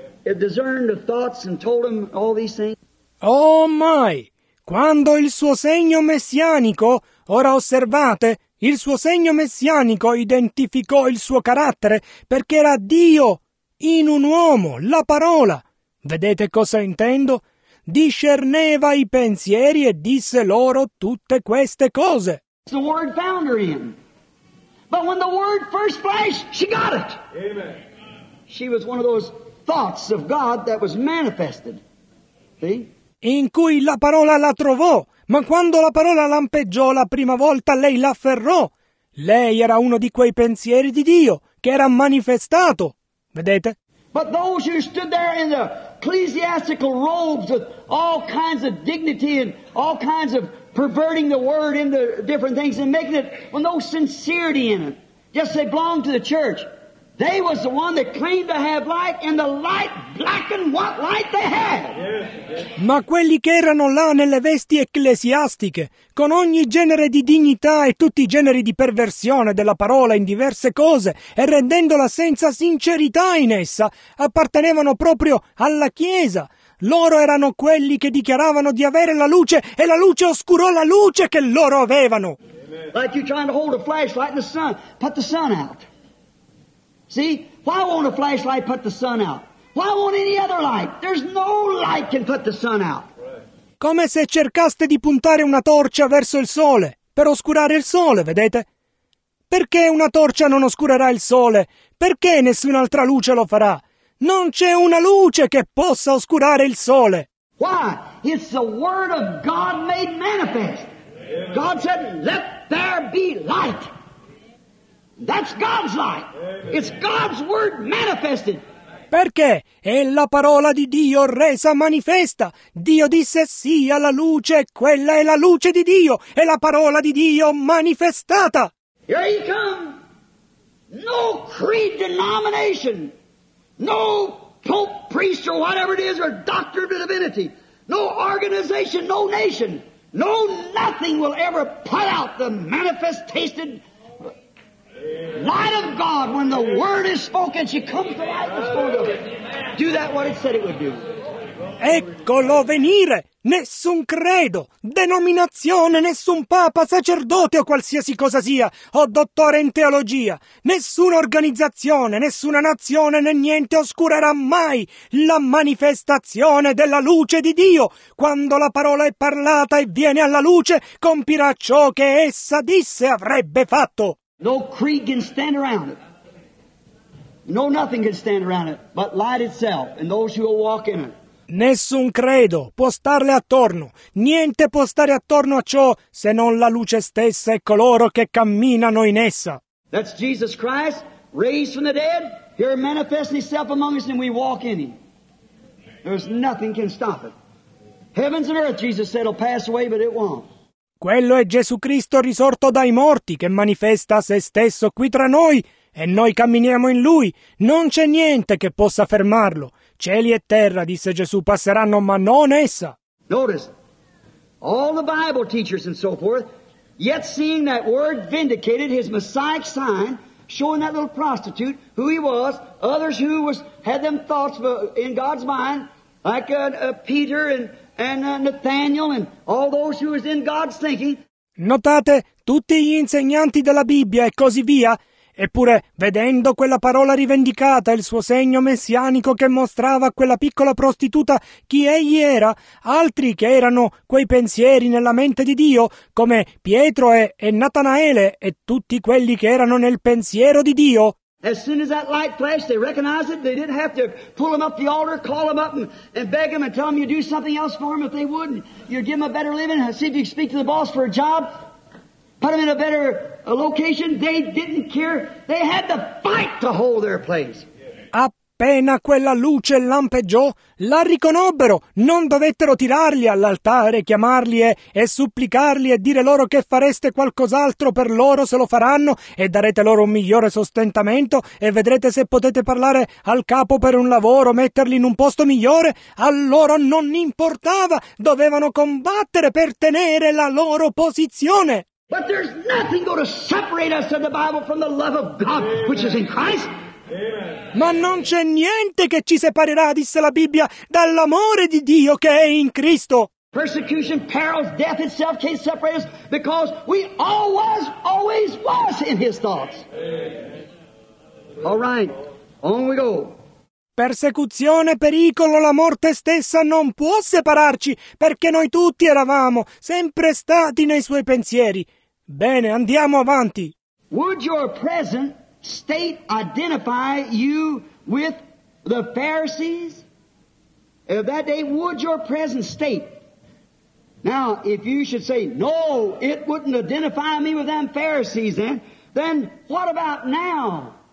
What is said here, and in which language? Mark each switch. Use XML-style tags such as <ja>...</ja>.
<en>It discerned the thoughts and told him all these things. Oh my!</en> <it>Quando il suo segno messianico, ora osservate, il suo segno messianico identificò il suo carattere perché era Dio in un uomo, la parola. Vedete cosa intendo? Discerneva i pensieri e disse loro tutte queste cose.</it> <en>It's the Word found her in. But when the Word first flashed, she got it. Amen. She was one of those thoughts of God that was manifested. See?</en> <it>In cui la parola la trovò, ma quando la parola lampeggiò la prima volta, lei l'afferrò. Lei era uno di quei pensieri di Dio che era manifestato. Vedete?</it> <en>But those who stood there in the ecclesiastical robes with all kinds of dignity and all kinds of perverting the word into different things and making it with no sincerity in it, just they belonged to the church. They was the one that claimed to have light, and the light blackened what light they had.</en> <it>Ma quelli che erano là nelle vesti ecclesiastiche, con ogni genere di dignità e tutti i generi di perversione della parola in diverse cose, e rendendola senza sincerità in essa, appartenevano proprio alla Chiesa. Loro erano quelli che dichiaravano di avere la luce, e la luce oscurò la luce che loro avevano.</it> <en>Like you trying to hold a flashlight in the sun, put the sun out. See, why won't a flashlight put the sun out? Why won't any other light? There's no light can put the sun out.</en> <it>Come se cercaste di puntare una torcia verso il sole, per oscurare il sole, vedete? Perché una torcia non oscurerà il sole? Perché nessun'altra luce lo farà? Non c'è una luce che possa oscurare il sole.</it> <en>Why? It's the word of God made manifest. God said, let there be light. That's God's light. It's God's word manifested.</en> <it>Perché è la parola di Dio resa manifesta. Dio disse sia la luce, quella è la luce di Dio, è la parola di Dio manifestata.</it> <en>Here you come. No creed denomination, no pope, priest or whatever it is, or doctor of divinity, no organization, no nation, no nothing will ever put out the manifested light of God, when the word is spoken, she comes to life. Do that what it said it would do.</en> <it>Eccolo venire. nessun credo, denominazione, nessun papa, sacerdote o qualsiasi cosa sia, o dottore in teologia, nessuna organizzazione, nessuna nazione né niente oscurerà mai la manifestazione della luce di Dio. Quando la parola è parlata e viene alla luce, compirà ciò che essa disse avrebbe fatto.</it> <en>No creed can stand around it. No nothing can stand around it, but light itself and those who will walk in it.</en> <it>Nessun credo può starle attorno, niente può stare attorno a ciò se non la luce stessa e coloro che camminano in essa.</it> <en>That's Jesus Christ, raised from the dead, here manifesting himself among us and we walk in him. There's nothing can stop it. Heavens and earth, Jesus said, will pass away, but it won't.</en> <it>Quello è Gesù Cristo risorto dai morti che manifesta se stesso qui tra noi e noi camminiamo in lui. Non c'è niente che possa fermarlo. Cieli e terra, disse Gesù, passeranno, ma non essa.</it> <en>Notice, all the Bible teachers and so forth, yet seeing that word vindicated, his messiahic sign, showing that little prostitute who he was, others who was had them thoughts in God's mind, like Peter and Nathaniel and all those who was in God's thinking.</en> <it>Notate, tutti gli insegnanti della Bibbia e così via, eppure, vedendo quella parola rivendicata e il suo segno messianico che mostrava a quella piccola prostituta chi egli era, altri che erano quei pensieri nella mente di Dio, come Pietro e Natanaele e tutti quelli che erano nel pensiero di Dio.</it> <en>As soon as that light flashed, they recognized it. They didn't have to pull them up the altar, call them up and beg them and tell them you'd do something else for them if they wouldn't. You'd give them a better living, see if you could speak to the boss for a job. Put them in a better location, they didn't care, they had to fight to hold their place.</en> <it>Appena quella luce lampeggiò, la riconobbero, non dovettero tirarli all'altare, chiamarli e supplicarli e dire loro che fareste qualcos'altro per loro se lo faranno e darete loro un migliore sostentamento e vedrete se potete parlare al capo per un lavoro, metterli in un posto migliore. A loro non importava, dovevano combattere per tenere la loro posizione.</it> <en>But there's nothing going to separate us, said the Bible, from the love of God, amen, which is in Christ. Amen.</en> <it>Ma non c'è niente che ci separerà, disse la Bibbia, dall'amore di Dio che è in Cristo.</it> <en>Persecution, perils, death itself can't separate us because we always was in his thoughts. Amen. All right, on we go.</en> <it>Persecuzione, pericolo, la morte stessa non può separarci perché noi tutti eravamo sempre stati nei suoi pensieri. Bene, andiamo avanti.</it> <en>Would your present state identify you with the Pharisees? Of that day, would your present state? Now, if you should say, no, it wouldn't identify me with them Pharisees then what about now?</en>